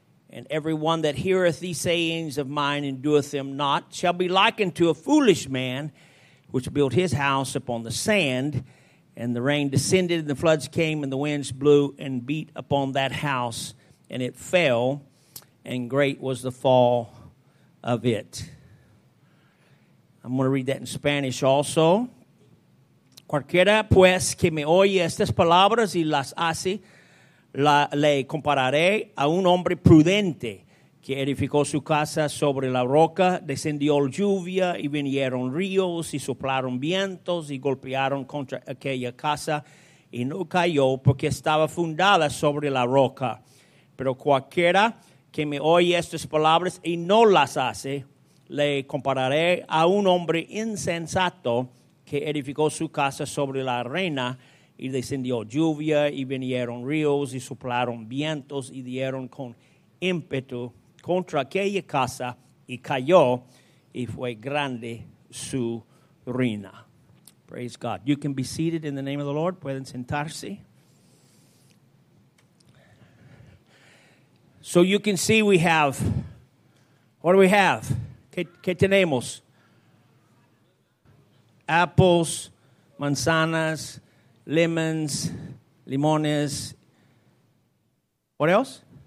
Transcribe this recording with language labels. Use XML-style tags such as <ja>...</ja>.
<en>And every one that heareth these sayings of mine and doeth them not shall be likened to a foolish man which built his house upon the sand. And the rain descended, and the floods came, and the winds blew and beat upon that house, and it fell, and great was the fall of it. I'm going to read that in Spanish also.</en> <es>Cualquiera pues que me oye estas palabras y las hace, le compararé a un hombre prudente que edificó su casa sobre la roca, descendió lluvia y vinieron ríos y soplaron vientos y golpearon contra aquella casa y no cayó porque estaba fundada sobre la roca. Pero cualquiera que me oye estas palabras y no las hace, le compararé a un hombre insensato que edificó su casa sobre la arena y descendió lluvia y vinieron ríos y soplaron vientos y dieron con ímpetu contra aquella casa y cayó y fue grande su ruina.</es> <en>Praise God. You can be seated in the name of the Lord.</en> <es>Pueden sentarse.</es> <en>So you can see we have, what do we have?</en> <es>¿Qué tenemos?</es> <en>Apples, manzanas, lemons, limones. What else?</en>